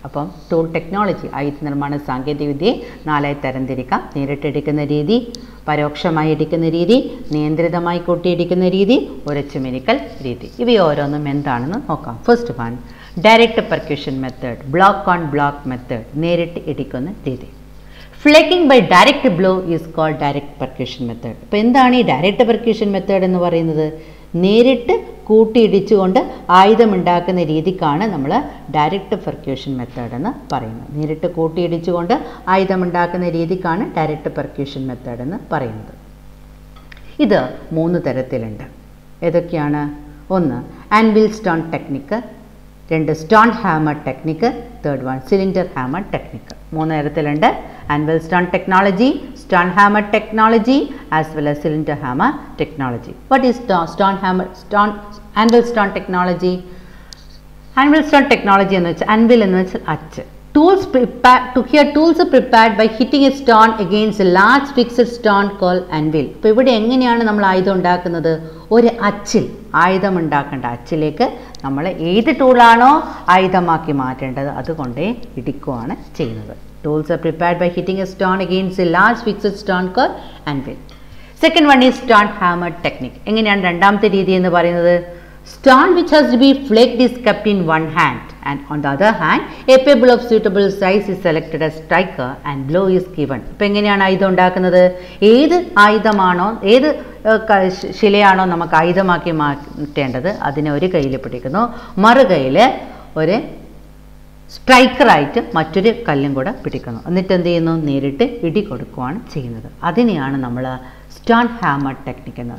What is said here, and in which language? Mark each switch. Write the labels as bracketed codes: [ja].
[ml] അപ്പം tool technology ആയുധ നിർമ്മാണ സാങ്കേതികവിദ്യയെ നാലായി തരംതിരിക്കാം. നേരിട്ടെടുക്കുന്ന രീതി, പരോക്ഷമായി എടുക്കുന്ന രീതി, നിയന്ത്രിതമായി കൂട്ടിയിടിക്കുന്ന രീതി, ഉരച്ചു മിനുക്കൽ രീതി. ഇവ ഓരോന്നും എന്താണെന്ന് നോക്കാം. First one, direct percussion method, block on block method നേരിട്ട് ഇടിക്കുന്ന രീതി. [en] Flaking by direct blow is called direct percussion method. [ml] ഇപ്പോൾ എന്താണ് ഈ ഡയറക്റ്റ് പെർക്യൂഷൻ മെത്തേഡ് എന്ന് പറയുന്നത്? നേരിട്ട് കൂട്ടിയിടിച്ചുകൊണ്ട് ആയുധമുണ്ടാക്കുന്ന രീതിക്കാണ് നമ്മൾ ഡയറക്റ്റ് പെർക്യൂഷൻ മെത്തേഡ് എന്ന് പറയുന്നത്. നേരിട്ട് കൂട്ടിയിടിച്ചുകൊണ്ട് ആയുധമുണ്ടാക്കുന്ന രീതിക്കാണ് ഡയറക്റ്റ് പെർക്യൂഷൻ മെത്തേഡ് എന്ന് പറയുന്നത്. ഇത് മൂന്ന് തരത്തിലുണ്ട്. ഏതൊക്കെയാണ്? ഒന്ന് ആൻവിൽ സ്റ്റോൺ ടെക്നിക്ക്, രണ്ട് stone hammer technique, third one cylinder hammer technique. മൂന്ന് തരത്തിലുണ്ട്: anvil stone technology, stone hammer technology, as well as cylinder hammer technology. [en] What is stone hammer anvil stone technology? [ml] Anvil stone technology എന്ന് വെച്ചാൽ, anvil എന്ന് വെച്ചാൽ അച്ച്. [en] Tools prepare to here tools prepared by hitting a stone against a large fixed stone call anvil. [ml] ഇപ്പോൾ ഇവിടെ എങ്ങനെയാണ് നമ്മൾ ആയുധം ഉണ്ടാക്കുന്നത്? ഒരു അച്ചിൽ, ആയുധം ഉണ്ടാക്കേണ്ട അച്ചിലേക്ക് നമ്മൾ ഏത് ടൂളാണോ ആയുധമാക്കി മാറ്റേണ്ടത് അതുകൊണ്ടേ ഇടിക്കുകയാണ് ചെയ്യുന്നത്. [en] Tools are prepared by hitting a stone against a large fixed stone called anvil. Second one is stone hammer technique. [ml] എങ്ങനെയാണ് രണ്ടാമത്തെ രീതി എന്ന് പറയുന്നത്? [en] Stone which has to be flaked is kept in one hand and on the other hand a pebble of suitable size is selected as striker and blow is given. [ml] അപ്പോൾ എങ്ങനെയാണ് ആയുധം ഉണ്ടാക്കുന്നത്? ഏത് ആയുധമാണോ, ഏത് ശിലയാണോ നമുക്ക് ആയുധമാക്കി മാറ്റേണ്ടത് അതിനെ ഒരു കയ്യിൽ പിടിക്കുന്നു, മറു കയ്യിൽ ഒരു സ്ട്രൈക്കറായിട്ട് മറ്റൊരു കല്ലും കൂടെ പിടിക്കുന്നു. എന്നിട്ട് എന്ത് ചെയ്യുന്നു? നേരിട്ട് ഇടി കൊടുക്കുകയാണ് ചെയ്യുന്നത്. അതിനെയാണ് നമ്മൾ സ്റ്റോൺ ഹാമർ ടെക്നിക്ക് എന്ന്.